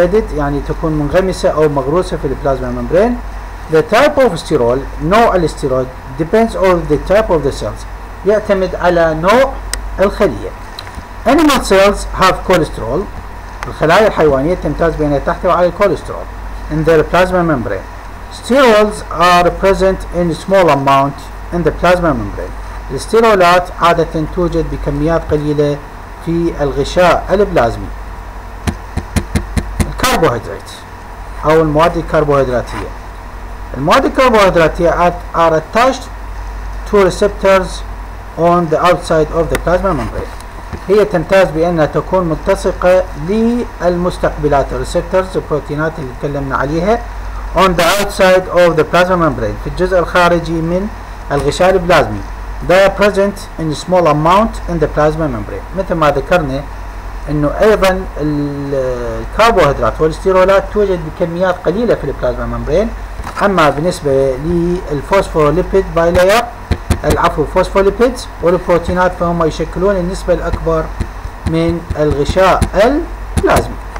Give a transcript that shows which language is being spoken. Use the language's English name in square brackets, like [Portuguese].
[Arabic] Embedded يعني تكون منغمسة أو مغروسة في the plasma membrane. [English] The type of sterol, [Arabic] نوع الاستيرول [English] depends on the type of the cells. [Arabic] يعتمد على نوع الخلية. [English] Animal cells have cholesterol. [Arabic] الخلايا الحيوانية تمتاز بأنها تحتوي على الكوليسترول [English] in their plasma membrane. Sterols are present in small amount in the plasma membrane. [Arabic] الاستيرولات عادة توجد بكميات قليلة في الغشاء البلازمي. الكربوهيدرات أو المواد الكربوهيدراتية. المواد الكربوهيدراتية [English] are attached to receptors on the outside of the plasma membrane. [Arabic] هي تمتاز بأنها تكون ملتصقة للمستقبلات receptors البروتينات اللي تكلمنا عليها [English] on the outside of the plasma membrane [Arabic] في الجزء الخارجي من الغشاء البلازمي. [English] They are present in a small amount in the plasma membrane. [Arabic] مثل ما ذكرنا انه ايضا الكربوهيدرات والاستيرولات توجد بكميات قليلة في البلازما ممبرين. اما بالنسبة للفوسفوليبيد بايلاير العفو الفوسفوليبيد والبروتينات فهم يشكلون النسبة الاكبر من الغشاء البلازمي.